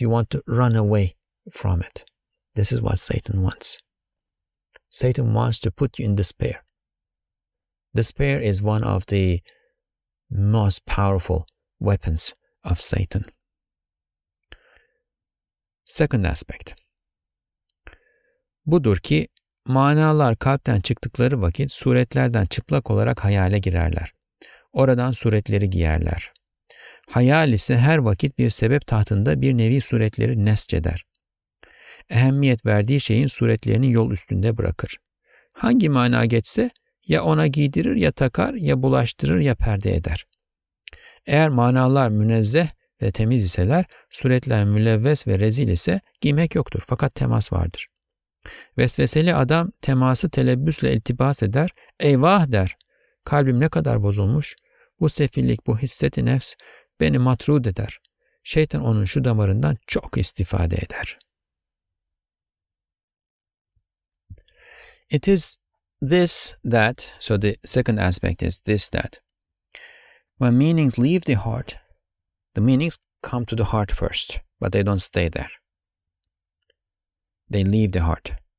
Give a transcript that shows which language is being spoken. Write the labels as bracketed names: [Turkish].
[English] You want to run away from it. This is what Satan wants. Satan wants to put you in despair. Despair is one of the most powerful weapons of Satan. Second aspect. [Turkish] Budur ki, manalar kalpten çıktıkları vakit suretlerden çıplak olarak hayale girerler. Oradan suretleri giyerler. Hayal ise her vakit bir sebep tahtında bir nevi suretleri nesceder. Ehemmiyet verdiği şeyin suretlerini yol üstünde bırakır. Hangi mana geçse ya ona giydirir ya takar ya bulaştırır ya perde eder. Eğer manalar münezzeh ve temiz iseler, suretler mülevves ve rezil ise giymek yoktur fakat temas vardır. Vesveseli adam teması telebbüsle iltibas eder, eyvah der, kalbim ne kadar bozulmuş, bu sefillik, bu hisset-i nefs beni matrud eder. Şeytan onun şu damarından çok istifade eder. [English] It is this, that, so the second aspect is this, that. When meanings leave the heart, the meanings come to the heart first, but they don't stay there. They leave the heart.